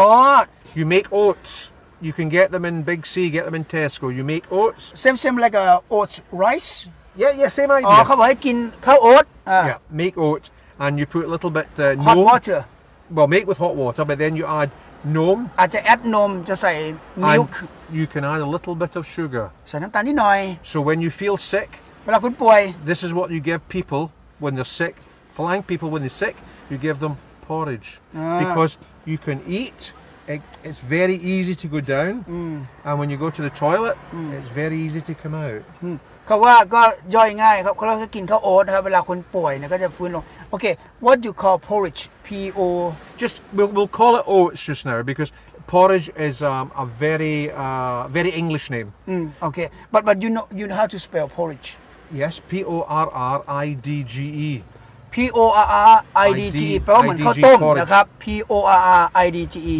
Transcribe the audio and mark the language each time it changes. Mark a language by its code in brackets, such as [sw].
[en] oh. You make oats you can get them in Big C get them in Tesco you make oats same like a oats rice yeah same idea [th] เขาบอกให้กินข้าวโอ๊ต [en] yeah make oats and you put a little bit hot water Well, make with hot water, but then you add nom. [th] อาจจะ add nom จะใส่ milk. [en] You can add a little bit of sugar. [th] ใส่น้ำตาลนิดหน่อย [en] So when you feel sick, [th] เวลาคุณป่วย [en] this is what you give people when they're sick. Flying people when they're sick, you give them porridge because you can eat. It's very easy to go down, and when you go to the toilet, it's very easy to come out. [th] เขาว่าก็ย่อยง่ายครับเขาจะกินข้าวโอ๊ตครับเวลาคุณป่วยเนี่ยก็จะฟื้นลง [en] Okay, what do you call porridge? P-O... Just, we'll call it oats just now, because porridge is a very, very English name. Okay, but you know how to spell porridge? Yes, P-O-R-R-I-D-G-E. P-O-R-R-I-D-G-E. P-O-R-R-I-D-G-E.